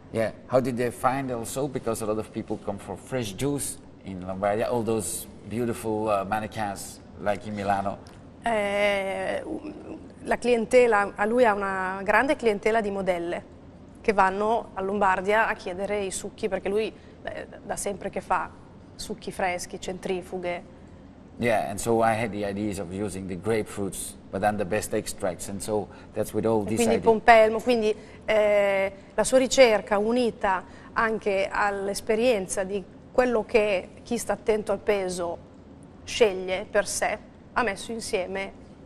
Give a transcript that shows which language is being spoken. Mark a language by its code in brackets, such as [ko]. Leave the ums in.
[en] Yeah, how did they find also? Because a lot in Lombardia, all those beautiful uh, mannequins like in Milano. [it] Sì la clientela, a lui ha una grande clientela di modelle che vanno a Lombardia a chiedere i succhi, perché lui eh, da sempre che fa succhi freschi, centrifughe. [en] Yeah, and so I had the ideas of using the grapefruits, but then the best extracts, so [it] Quindi idea. Pompelmo, quindi eh, la sua ricerca unita anche all'esperienza di quello che chi sta attento al peso sceglie per sé, ha messo insieme